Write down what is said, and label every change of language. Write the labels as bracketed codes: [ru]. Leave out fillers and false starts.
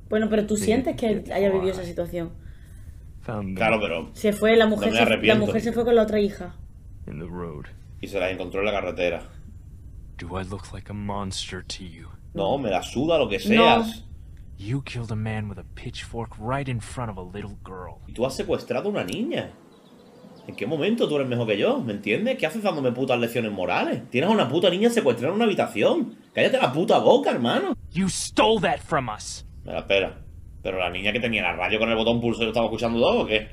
[es] Bueno, pero tú sientes que haya vivido esa situación. Claro, pero se fue la mujer, no me arrepiento. La mujer se fue con la otra hija. [en] In the [es] road. Y se las encontró en la carretera. [en] Do I look like a monster to you? No, [es] me la suda lo que seas. [en] No. You killed a man with a pitchfork right in front of a little girl. [es] Y tú has secuestrado a una niña. ¿En qué momento tú eres mejor que yo? ¿Me entiendes? ¿Qué haces dándome putas lecciones morales? Tienes a una puta niña secuestrada en una habitación. Cállate la puta boca, hermano. [en] You stole that from us. [es] Mira, espera. ¿Pero la niña que tenía la radio con el botón pulso yo estaba escuchando todo o qué?